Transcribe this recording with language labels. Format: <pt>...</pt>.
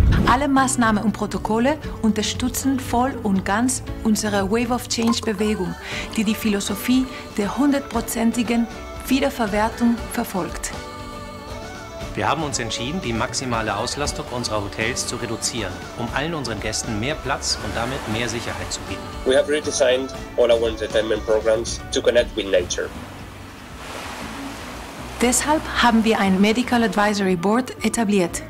<de>Alle Maßnahmen und Protokolle unterstützen voll und ganz unsere Wave of Change-Bewegung, die die Philosophie der hundertprozentigen Wiederverwertung verfolgt. Wir haben uns entschieden, die maximale Auslastung unserer Hotels zu reduzieren, um allen unseren Gästen mehr Platz und damit mehr Sicherheit zu bieten.</de> <en>We have redesigned all our entertainment programs to connect with nature.</en> <de>Deshalb haben wir ein Medical Advisory Board etabliert.</de>